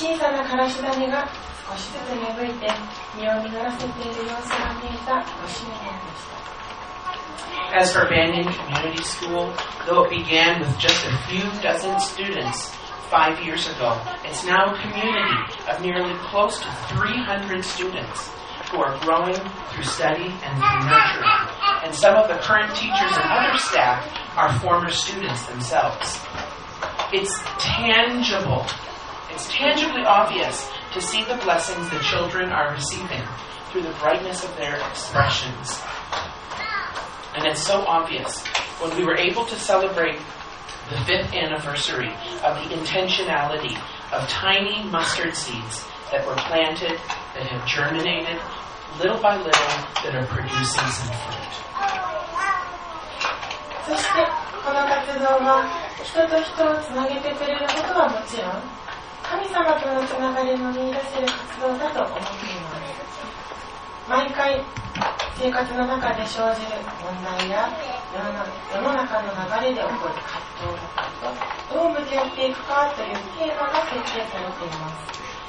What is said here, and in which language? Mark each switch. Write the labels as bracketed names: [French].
[Japanese] 小さな枯らし種が少しずつ芽吹いて実を実らせている様子が見えたご主人でした。 [English] As for Banyan Community School, though it began with just a few dozen students 5 years ago, it's now a community of nearly close to 300 students who are growing through study and through nurturing. And some of the current teachers and other staff are former students themselves. It's tangible. It's tangibly obvious to see the blessings the children are receiving through the brightness of their expressions. And it's so obvious when we were able to celebrate the 5th anniversary of the intentionality of tiny mustard seeds that were planted, that have germinated little by little, that are producing some fruit. [Japanese] そしてこの活動は人と人をつなげてくれることはもちろん、神様とのつながりを見出せる活動だと思っています。毎回生活の中で生じる問題や世の中の流れで起こる葛藤とかとどう向き合っていくかというテーマが設定されています。